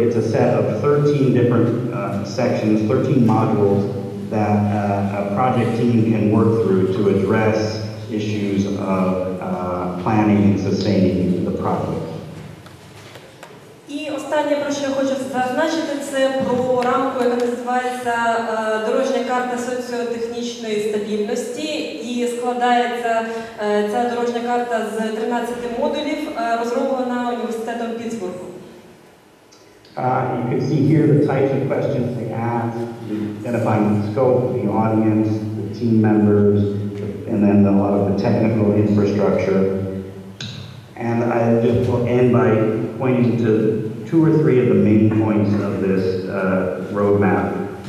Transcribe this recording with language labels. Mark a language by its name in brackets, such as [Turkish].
[English] It's a set of 13 different sections, 13 modules that a project team can work through to address issues of planning and sustaining the project. [Ukrainian] Останнє, про що я хочу зазначити, це про рамку, яка називається «Дорожня карта соціотехнічної стабільності». І складається ця дорожня карта з 13 модулів, розроблена університетом Пітсбургу. [English] You can see here the types of questions they ask, identifying the scope, the audience, the team members, and then a lot of the technical infrastructure. And I just will end by pointing to two or three of the main points of this roadmap.